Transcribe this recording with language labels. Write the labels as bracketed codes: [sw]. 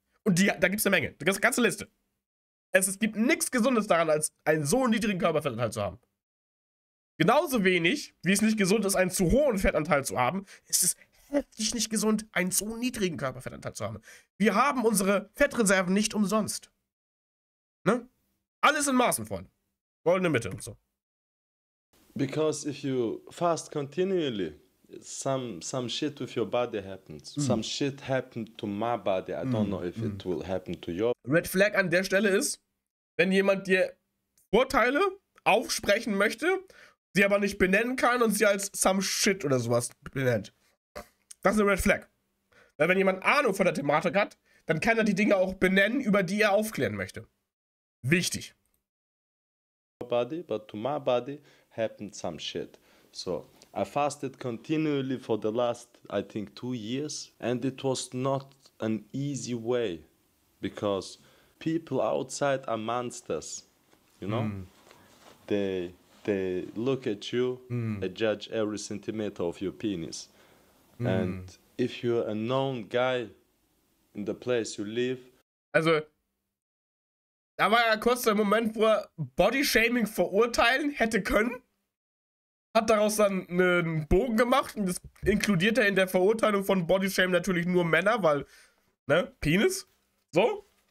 [de] Und die, da gibt es eine Menge, die ganze Liste. Es gibt nichts Gesundes daran, als einen so niedrigen Körperfettanteil zu haben. Genauso wenig, wie es nicht gesund ist, einen zu hohen Fettanteil zu haben, ist es heftig nicht gesund, einen so niedrigen Körperfettanteil zu haben. Wir haben unsere Fettreserven nicht umsonst. Ne? Alles in Maßen, Freunde. Goldene Mitte und so. [en] Because if you fast continually, some shit with your body happens. Mm. Some shit happened to my body. I don't know if it will happen to your... [de] Red Flag an der Stelle ist, wenn jemand dir Vorteile aufsprechen möchte, sie aber nicht benennen kann und sie als [en] some shit [de] oder sowas benennt. Das ist eine Red Flag. Weil wenn jemand Ahnung von der Thematik hat, dann kann er die Dinge auch benennen, über die er aufklären möchte. Wichtig. [en] Body, but to my body happened some shit. So, I fasted continually for the last, I think, 2 years. And it was not an easy way. Because people outside are monsters. You know? They look at you, they judge every centimeter of your penis. And if you're a known guy in the place you live... [de] Also, da war ja kurz der Moment, wo er Bodyshaming verurteilen hätte können. Hat daraus dann einen Bogen gemacht und das inkludiert er in der Verurteilung von Bodyshaming natürlich nur Männer, weil, ne, Penis, so.